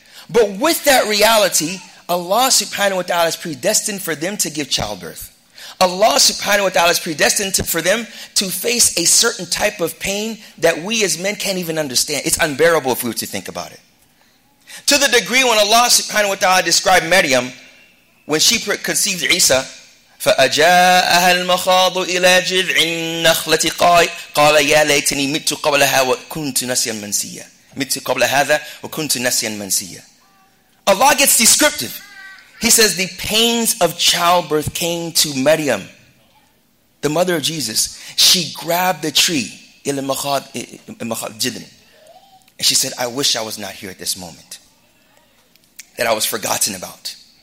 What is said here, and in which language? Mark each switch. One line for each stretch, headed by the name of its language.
English: But with that reality, Allah subhanahu wa ta'ala is predestined for them to give childbirth. Allah subhanahu wa ta'ala is predestined for them to face a certain type of pain that we as men can't even understand. It's unbearable if we were to think about it. To the degree when Allah subhanahu wa ta'ala described Maryam, when she conceived Isa,
Arabic: فأجاءها المخاض إلى جذع النخلة قال يا ليتني مت قبلها وكنت نسيا منسيا. مت قبل هذا وكنت نسيا منسيا.
English: Allah gets descriptive. He says the pains of childbirth came to Maryam, the mother of Jesus. She grabbed the tree,
Arabic: إلى المخاض جذن.
English: And she said, I wish I was not here at this moment, that I was forgotten about.